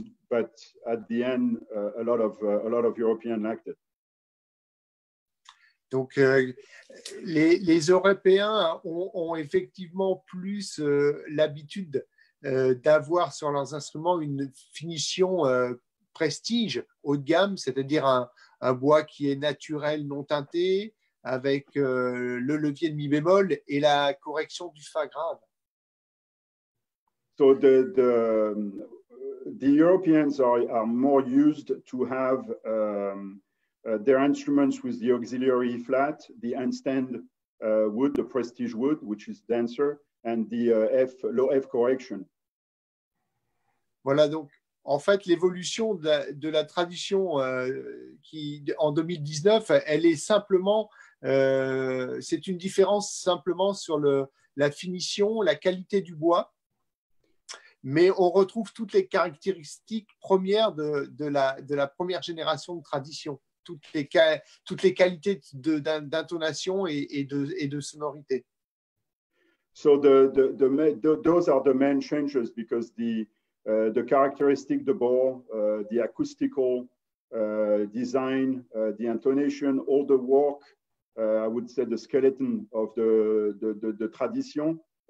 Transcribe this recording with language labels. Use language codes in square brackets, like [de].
[en] But at the end, a lot of Europeans liked it. [fr] Donc, les Européens ont effectivement plus l'habitude d'avoir sur leurs instruments une finition prestige, haut de gamme, c'est-à-dire un bois qui est naturel, non teinté, avec le levier de mi bémol et la correction du fa grave. [en] So the Europeans are more used to have their instruments with the auxiliary flat, the end-stand wood, the prestige wood, which is denser, and the F low F correction. [fr] Voilà, donc en fait l'évolution de la tradition qui en 2019, elle est simplement, c'est une différence simplement sur la finition, la qualité du bois. Mais on retrouve toutes les caractéristiques premières de la première génération de tradition, toutes les qualités d'intonation et de sonorité. [en] So those are the main changes because the characteristic de bore, the acoustical design, the intonation, all the work, I would say the skeleton of the tradition.